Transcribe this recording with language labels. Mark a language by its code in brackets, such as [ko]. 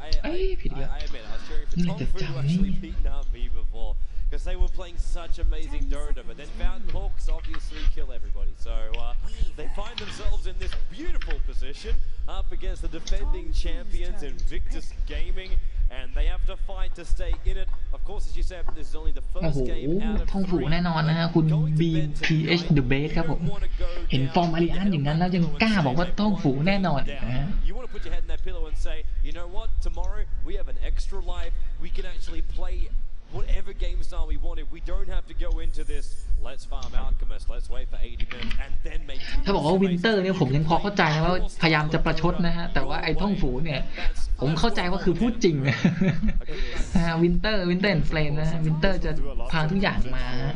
[en] I admit, I was cheering for Tongfu, who actually beaten RV before, because they were playing such amazing Dota, but then found Hawks obviously kill everybody, so they find themselves in this beautiful position up against the defending champions Invictus Gaming, and they have to fight to stay in it. Of course, as you said, this is only the first game out of three. [th] แน่นอนนะฮะคุณ BPH The Base ครับผมเห็นฟอร์มอาริอันอย่างนั้นแล้วยังกล้าบอกว่าต้องฝูแน่นอนนะ [en] You want to put your head in that pillow and say, you know what, tomorrow we have an extra life, we can actually playWhatever game style we wanted, we don't have to go into this. Let's farm Alchemist. Let's wait for 80 minutes and then make. [th] ถ้าบอกว่าวินเตอร์เนี่ยผมยังพอเข้าใจนะว่าพยายามจะประชดนะฮะแต่ว่าไอ้ท่องฝูเนี่ยผมเข้าใจว่าคือพูดจริงนะฮะวินเตอร์เฟรนนะฮะวินเตอร์จะพังทุกอย่างมา